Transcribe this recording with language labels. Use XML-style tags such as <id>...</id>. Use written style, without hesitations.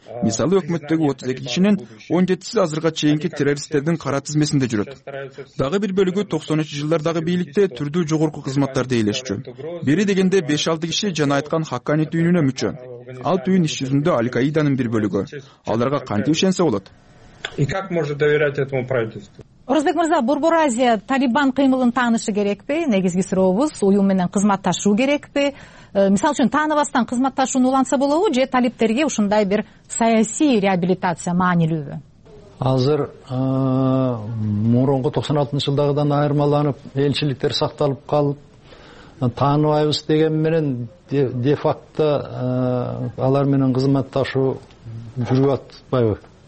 <ky>Мисалы, өкмөттөгү 32 кишинин 17 азыркы чейинки террористтердин кара тизмесинде жүрөт. Дагы бир бөлүгү 93 жылдардагы бийликте түрдүү жогорку кызматтарды ээлешчү. Бири дегенде 5-6 киши жана айткан Хаккани түйүнүнө мүчө. Ал түйүн иш жүзүндө Аль-Каиданын бир бөлүгү. Аларга кантип ишенсе болот?</ky> <ru>И как можно доверять этому правительству?</ru> <ky>Орозбек Мырза, Борбор Азия Талибан кыймылын таанышы керекпи? Негизги сурообуз уюм менен кызматташуу керекпи? Мисалы үчүн тааныбастан кызматташууну уланса болобу же талиптерге ушундай бир саясий реабилитация маанилүүбү? Азыр мурунку 96-жылдагыдан айырмаланып, элчиликтер сакталып калып, тааныбайбыз деген менен де-факто алар менен кызматташуу жүрүп атпайбы?</ky>